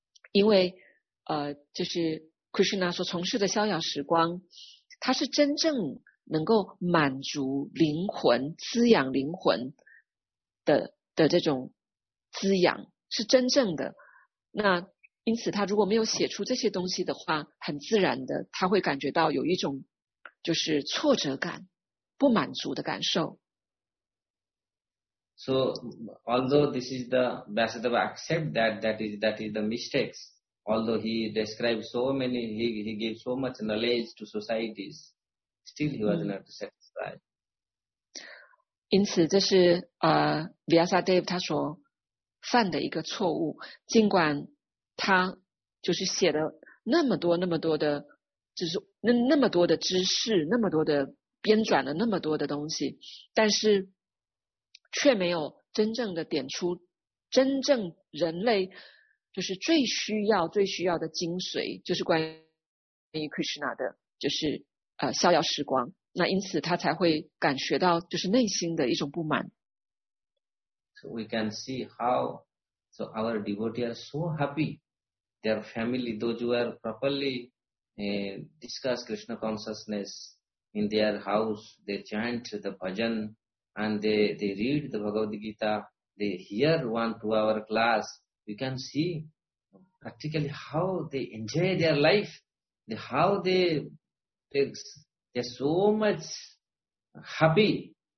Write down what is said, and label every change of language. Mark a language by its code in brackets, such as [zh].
[zh] 因为就是 Krishna 所从事的逍遥时光，他是真正能够满足灵魂，滋养灵魂 的这种滋养是真正的。那因此他如果没有写出这些东西的话，很自然的他会感觉到有一种就是挫折感，不满足的感受。 [en] So although this is the Vyasadeva accept that is the mistakes, although he describes so many, he gives so much knowledge to societiesStill, he was not satisfied. [zh] 因此，这是Vyasadeva 他所犯的一个错误。尽管他就是写了那么多、那么多的，就是那么多的知识，那么多的编撰了那么多的东西，但是却没有真正的点出真正人类就是最需要的精髓，就是关于 Krishna 的，就是。逍遥时光，那因此他才会感觉到就是内心的一种不满。 [en] So we can see how, so our devotees are so happy, their family, those who are properly discuss Krishna consciousness in their house, they chant the bhajan and they read the Bhagavad Gita, they hear 1-2 hour class, we can see practically how they enjoy their life, They're so much happy.